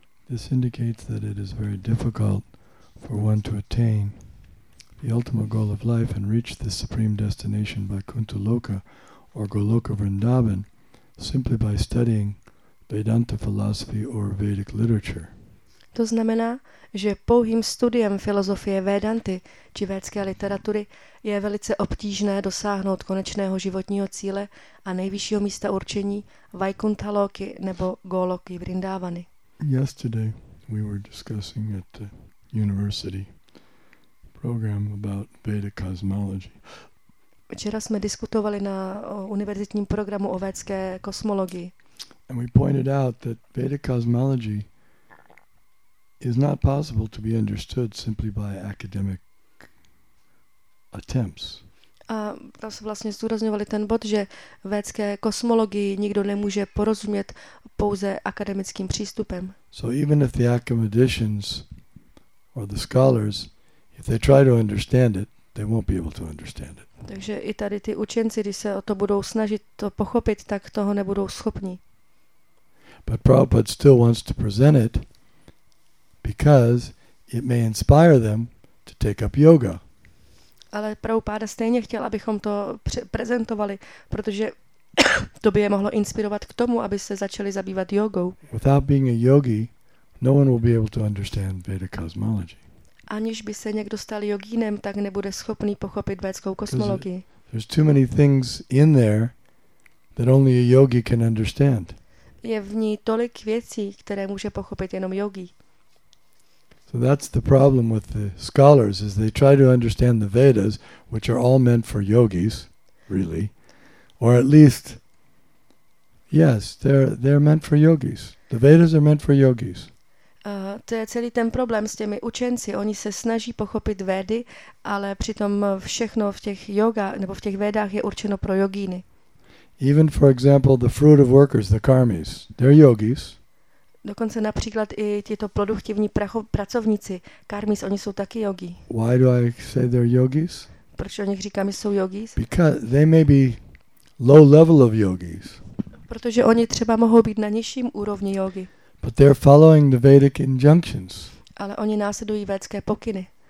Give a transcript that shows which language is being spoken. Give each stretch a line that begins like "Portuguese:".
English: This indicates that it is very difficult for one to attain the ultimate goal of life and reach the supreme destination by Kunti Loka or Goloka Vrindavan simply by studying Vedanta philosophy or Vedic literature.
Czech: To znamená, že pouhým studiem filozofie Vedanty či védské literatury je velice obtížné dosáhnout konečného životního cíle a nejvyššího místa určení Vaikuntha Loky nebo Goloky Vrindavany.
English: Yesterday we were discussing at the university program about Vedic cosmology.
Czech: Včera jsme diskutovali na univerzitním programu o védské kosmologii.
English: And we pointed out that Vedic cosmology is not possible to be understood simply by academic attempts.
Czech: A tam se vlastně zdůrazňovali ten bod, že védské kosmologii nikdo nemůže porozumět pouze akademickým přístupem.
English: So even if the academicians or the scholars, if they try to understand it, they won't be able to understand it.
Czech: Takže i tady ty učenci, když se o to budou snažit to pochopit, tak toho nebudou schopni.
English: But Prabhupada still wants to present it because it may inspire them to take up yoga.
Czech: Ale Prabhupada stejně chtěl, abychom to prezentovali, protože to by je mohlo inspirovat k tomu, aby se začali zabývat jogou.
English: Without being a yogi, no one will be able to understand Vedic cosmology.
Czech: Aniž by se někdo stal jogínem, tak nebude schopný pochopit védskou kosmologii.
English: There's too many things in there that only a yogi can understand.
Czech: Je v ní tolik věcí, které může pochopit jenom jogi.
English: So that's the problem with the scholars, is they try to understand the Vedas, which are all meant for yogis, really, or at least, yes, they're meant for yogis. The Vedas are meant for yogis.
Czech: To je celý ten problém s těmi učenci. Oni se snaží pochopit védy, ale přitom všechno v těch yoga nebo v těch védách je určeno pro jogíny.
English: Even for example the fruit of workers, the karmis, they're yogis.
Czech: Dokonce například i tyto produktivní pracovníci, karmis, oni jsou taky yogi.
English: Why do I say they're yogis?
Czech: Proč o nich říkám, že jsou yogis?
English: Because they may be low level of yogis.
Czech: Protože oni třeba mohou být na nižším úrovni yogi.
English: But they're following the Vedic injunctions.
Czech: Ale oni následují védské pokyny.